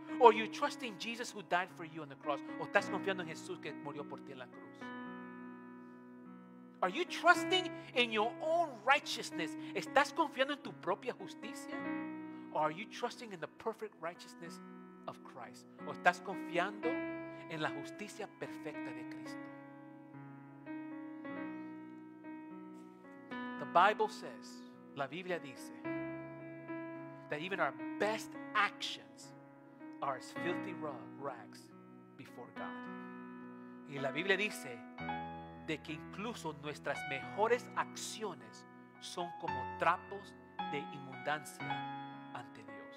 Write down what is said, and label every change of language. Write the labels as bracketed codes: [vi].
[en] Or are you trusting Jesus who died for you on the cross? [es] ¿O estás confiando en Jesús que murió por ti en la cruz? [en] Are you trusting in your own righteousness? [es] ¿Estás confiando en tu propia justicia? [en] Or are you trusting in the perfect righteousness of Christ? [es] ¿O estás confiando en la justicia perfecta de Cristo? [en] The Bible says, [es] la Biblia dice, [en] that even our best actions are as filthy rags before God. [es] Y la Biblia dice de que incluso nuestras mejores acciones son como trapos de inmundancia ante Dios.